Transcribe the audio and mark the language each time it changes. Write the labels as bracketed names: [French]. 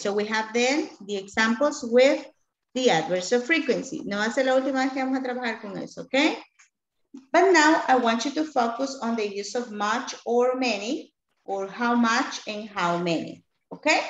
[English] So we have then the examples with the adverbs of frequency. [Spanish] No va a ser la última vez que vamos a trabajar con eso, ¿ok? [English] But now I want you to focus on the use of much or many, or how much and how many, ¿ok?